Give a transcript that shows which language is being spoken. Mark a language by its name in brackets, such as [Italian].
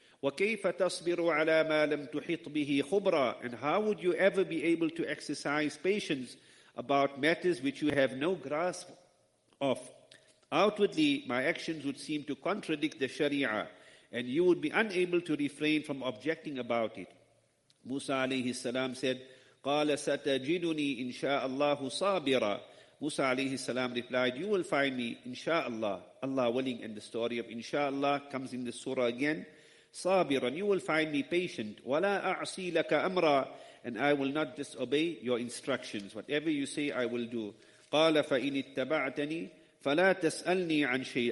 [Arabic] وَكَيْفَ تَصْبِرُ عَلَى مَا لَمْ تُحِطْ بِهِ خُبْرًا, [English] and how would you ever be able to exercise patience about matters which you have no grasp of? Outwardly, my actions would seem to contradict the Sharia, and you would be unable to refrain from objecting about it. Musa alayhi salam said, [Arabic] قَالَ سَتَجِدُنِي إِنْشَاءَ اللَّهُ صَابِرًا. [English] Musa alayhi salam replied, "You will find me, insha'Allah, Allah willing." And the story of insha'Allah comes in the surah again. Sabiran, you will find me patient. [Arabic] Wala a'si laka amra, [English] and I will not disobey your instructions. Whatever you say, I will do. [Arabic] Qala fa in ittaba'tani fala tas'alni an shay.